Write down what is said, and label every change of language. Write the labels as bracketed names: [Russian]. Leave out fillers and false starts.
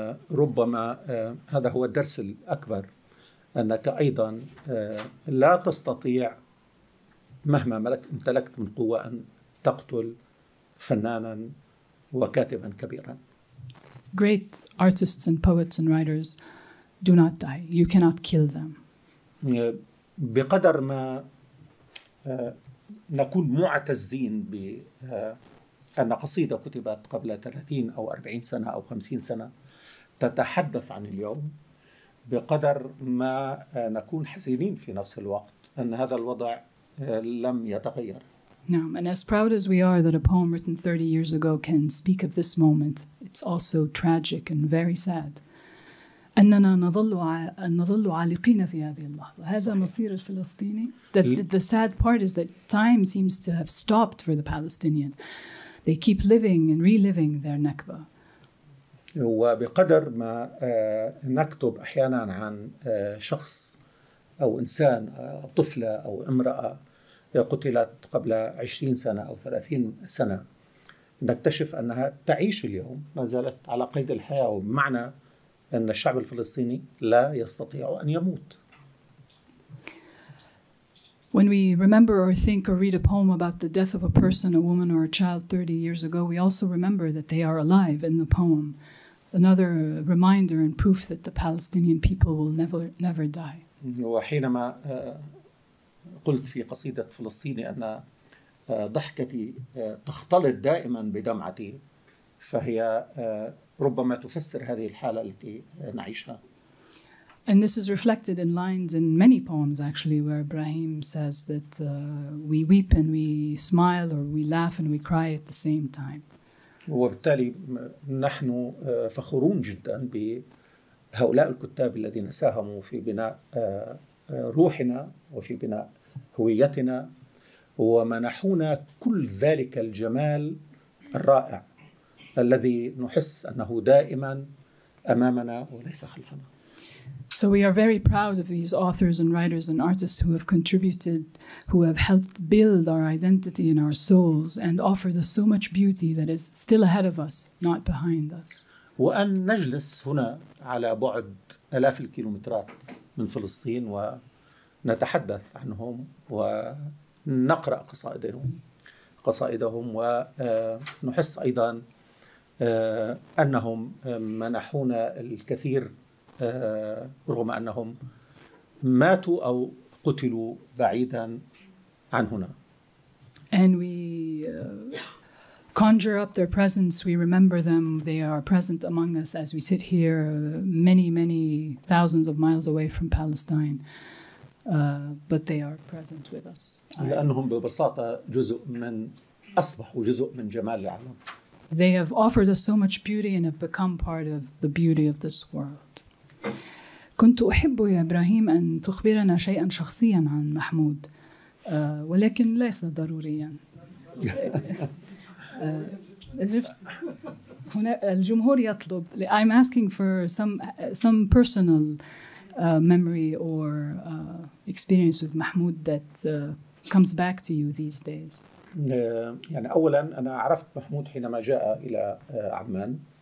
[Arabic] وربما هذا هو الدرس الأكبر أنك أيضا لا تستطيع مهما امتلكت من قوة أن تقتل فنانا وكاتبا كبيرا. [English] Great artists and poets and writers do not die. You cannot kill them. [Arabic] بقدر ما نكون معتزين بأن قصيدة كتبت قبل 30 أو 40 سنة أو 50 سنة تتحدث عن اليوم بقدر ما نكون حزينين في نفس الوقت أن هذا الوضع لم يتغير. نعم. [English] And as proud as we are that a poem written 30 years ago can speak of this moment, it's also tragic and very sad. [Arabic] أننا نظل عالقين في هذه اللحظة. هذا مصير الفلسطيني. [English] The sad part is that time seems to have stopped for the Palestinian. They keep living and reliving their Nakba. [Arabic] وبقدر ما نكتب أحيانا عن شخص أو إنسان أو طفلة أو امرأة قتلت قبل 20 سنة أو 30 سنة نكتشف أنها تعيش اليوم، ما زالت على قيد الحياة، ومعنى أن الشعب الفلسطيني لا يستطيع أن يموت. [English] When we remember or think or read a poem about the death of a person, a woman or a child 30 years ago, we also remember that they are alive in the poem. Another reminder and proof that the Palestinian people will never die. [Arabic] وحينما قلت في قصيدة فلسطيني أن ضحكتي تختلط دائما بدمعتي، فهي ربما تفسر هذه الحالة التي نعيشها. [English] And this is reflected in lines in many poems, actually, where Ibrahim says that we weep and we smile, or we laugh and we cry at the same time. [Arabic] وبالتالي نحن فخورون جدا بهؤلاء الكتاب الذين ساهموا في بناء روحنا وفي بناء هويتنا ومنحونا كل ذلك الجمال الرائع الذي نحس أنه دائما أمامنا وليس خلفنا. [English] So we are very proud of these authors and writers and artists who have contributed, who have helped build our identity and our souls and offered us so much beauty that is still ahead of us, not behind us. [Arabic] وأن نجلس هنا على بعد آلاف الكيلومترات من فلسطين ونتحدث عنهم ونقرأ قصائدهم ونحس أيضا أنهم منحونا الكثير رغم أنهم ماتوا أو قتلوا بعيدا عن هنا. [English] And we conjure up their presence, we remember them, they are present among us as we sit here many, many thousands of miles away from Palestine, but they are present with us. [Arabic] لأنهم ببساطة جزء من أصبحوا جزء من جمال العالم. [English] They have offered us so much beauty and have become part of the beauty of this world. [Arabic] كنت أحب يا إبراهيم أن تخبرنا شيئا شخصيا عن محمود ولكن ليس ضروريا. هنا الجمهور يطلب. [English] I'm asking for some personal memory or experience with محمود that comes back to you these days. [Arabic] يعني أولا أنا عرفت محمود حينما جاء إلى عمان.